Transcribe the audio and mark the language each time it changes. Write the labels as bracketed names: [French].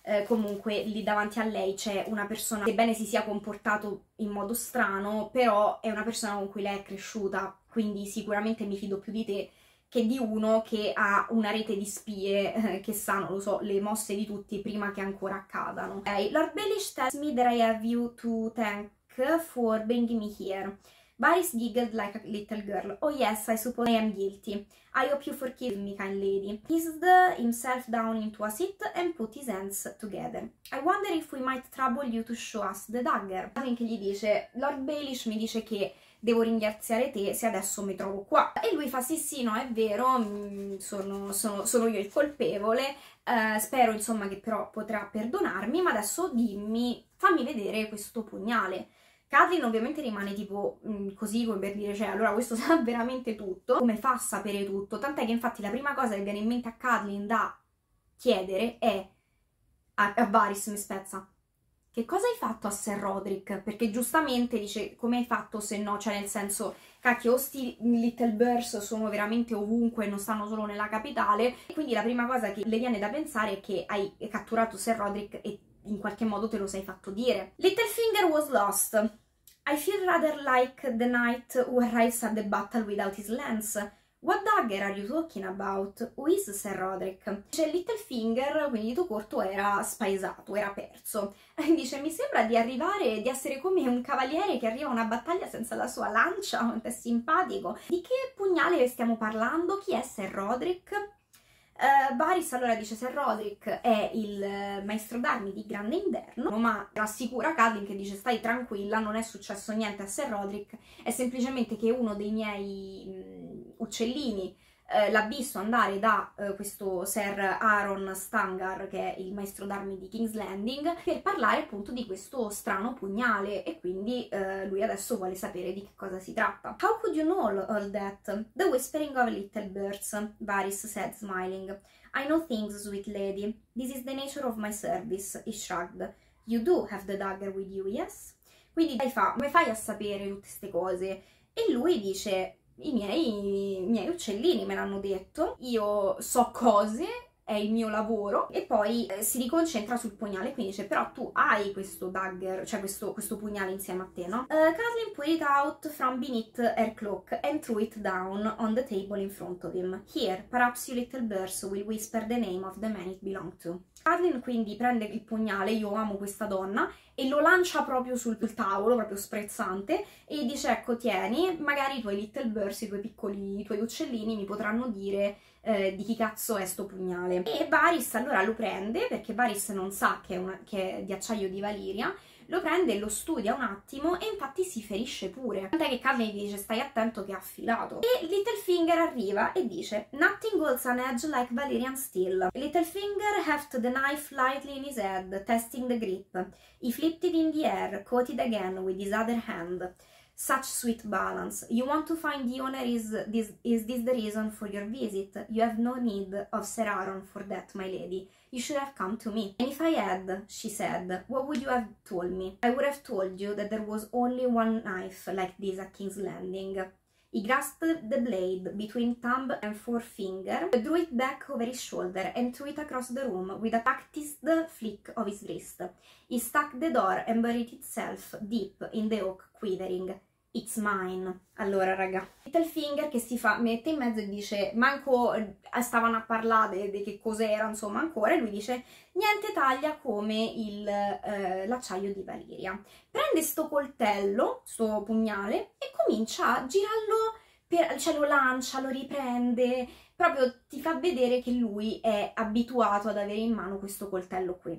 [Italian] Comunque lì davanti a lei c'è una persona, sebbene si sia comportato in modo strano, però è una persona con cui lei è cresciuta, quindi sicuramente mi fido più di te che di uno che ha una rete di spie che sa, non lo so, le mosse di tutti prima che ancora accadano. Okay. [English] Lord Baelish tells me that I have you to thank for bringing me here. Varys giggled like a little girl. Oh yes, I suppose I am guilty. I hope you forgive me, kind lady. He eased himself down into a seat and put his hands together. I wonder if we might trouble you to show us the dagger. [Italian] Catelyn che gli dice, Lord Baelish mi dice che devo ringraziare te se adesso mi trovo qua. E lui fa, sì sì, no, è vero, sono io il colpevole. Spero, insomma, che però potrà perdonarmi, ma adesso dimmi, fammi vedere questo pugnale. Catelyn ovviamente rimane tipo così, come per dire, cioè allora questo sa veramente tutto, come fa a sapere tutto, tant'è che infatti la prima cosa che viene in mente a Catelyn da chiedere è a Varys, mi spezza, che cosa hai fatto a Sir Roderick? Perché giustamente dice, come hai fatto se no? Cioè nel senso, cacchio, o sti Little Birds sono veramente ovunque e non stanno solo nella capitale. E quindi la prima cosa che le viene da pensare è che hai catturato Sir Roderick e in qualche modo te lo sei fatto dire. [English] Littlefinger was lost. I feel rather like the knight who arrives at the battle without his lance. What dagger are you talking about? Who is Sir Roderick? [Italian] Dice Littlefinger, quindi tuo corto era spaesato, era perso. Dice, mi sembra di arrivare, di essere come un cavaliere che arriva a una battaglia senza la sua lancia, quanto è simpatico. Di che pugnale stiamo parlando? Chi è Sir Roderick? Varys allora dice, Sir Roderick è il maestro d'armi di Grande Inverno, ma rassicura Catelyn che dice, stai tranquilla, non è successo niente a Sir Roderick, è semplicemente che uno dei miei uccellini l'ha visto andare da questo Sir Aaron Stangar, che è il maestro d'armi di King's Landing, per parlare appunto di questo strano pugnale, e quindi lui adesso vuole sapere di che cosa si tratta. [English] How could you know all that? The whispering of little birds, Varys said smiling. I know things, sweet lady. This is the nature of my service, he shrugged. You do have the dagger with you, yes? [Italian] Quindi dai, come fai a sapere tutte queste cose? E lui dice, I miei uccellini me l'hanno detto, io so cose, è il mio lavoro. E poi si riconcentra sul pugnale, quindi dice, però tu hai questo dagger, cioè questo pugnale insieme a te, no? [English] Catelyn put it out from beneath her cloak and threw it down on the table in front of him. Here, perhaps you little birds will whisper the name of the man it belonged to. [Italian] Catelyn quindi prende il pugnale, io amo questa donna, e lo lancia proprio sul tavolo, proprio sprezzante, e dice, ecco, tieni, magari i tuoi [English] little birds, [Italian] i tuoi uccellini mi potranno dire di chi cazzo è sto pugnale. E Varys allora lo prende, perché Varys non sa che è di acciaio di Valyria, lo prende e lo studia un attimo, e infatti si ferisce pure. Tant'è che Catelyn gli dice, stai attento che è affilato. E Littlefinger arriva e dice, [English] nothing holds an edge like Valyrian steel. Littlefinger hefted the knife lightly in his head, testing the grip. He flipped it in the air, caught it again with his other hand. Such sweet balance. You want to find the owner, is this the reason for your visit? You have no need of Sir Aaron for that, my lady. You should have come to me. And if I had, she said, what would you have told me? I would have told you that there was only one knife like this at King's Landing. He grasped the blade between thumb and forefinger, drew it back over his shoulder and threw it across the room with a practiced flick of his wrist. He stuck the door and buried itself deep in the oak, quivering. It's mine. [Italian] Allora, raga, Littlefinger che si fa, mette in mezzo e dice, manco stavano a parlare di che cos'era, insomma, ancora, e lui dice, niente taglia come l'acciaio di Valyria. Prende sto coltello, sto pugnale, e comincia a girarlo, cioè lo lancia, lo riprende, proprio ti fa vedere che lui è abituato ad avere in mano questo coltello qui.